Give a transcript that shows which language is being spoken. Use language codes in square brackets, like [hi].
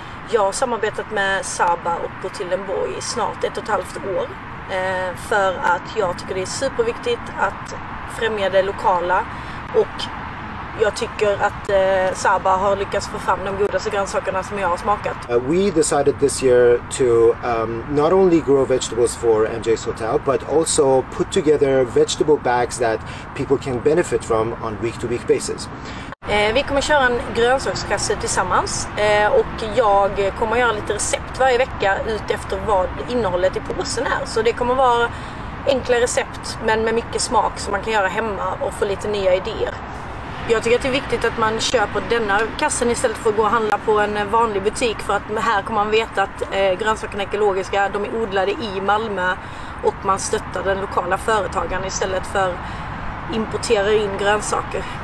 [sv] Jag har samarbetat med Saba och Botildenborg i snart 1,5 år. För att jag tycker det är superviktigt att främja det lokala. Och jag tycker att Saba har lyckats få fram de godaste grönsakerna som jag har smakat. [en] We decided this year to not only grow vegetables for MJ's Hotel but also put together vegetable bags that people can benefit from on week-to-week basis. [sv] Vi kommer köra en grönsakskasse tillsammans och jag kommer göra lite recept varje vecka ut efter vad innehållet i påsen är. Så det kommer vara enkla recept men med mycket smak som man kan göra hemma och få lite nya idéer. Jag tycker att det är viktigt att man köper denna kassen istället för att gå och handla på en vanlig butik för att här kommer man veta att grönsakerna är ekologiska, de är odlade i Malmö och man stöttar den lokala företagaren istället för importera in grönsaker.